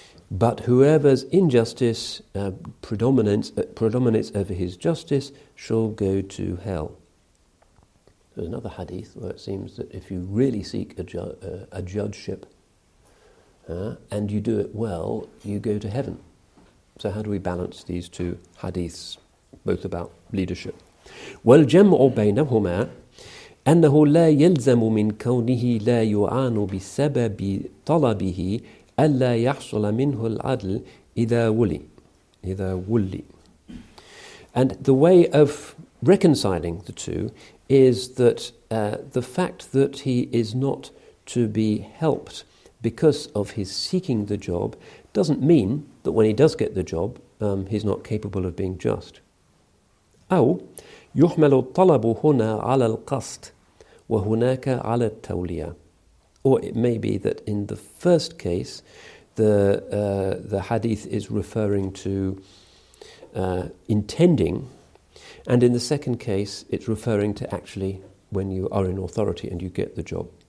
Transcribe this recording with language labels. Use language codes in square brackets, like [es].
[en] But whoever's injustice predominates over his justice shall go to hell. There's another hadith where it seems that if you really seek a judgeship and you do it well, you go to heaven. So how do we balance these two hadiths, both about leadership? [ar] Well, jam'u baynahuma أنه لا يلزم من كونه لا يعان بسبب طلبه ألا يحصل منه العدل إذا ولي. [en] And the way of reconciling the two is that the fact that he is not to be helped because of his seeking the job doesn't mean that when he does get the job, he's not capable of being just. [ar] أو يحمل الطلب هنا على القصد وَهُنَاكَ عَلَى التَّوْلِيَةِ. [en] Or it may be that in the first case, the hadith is referring to intending, and in the second case, it's referring to actually when you are in authority and you get the job.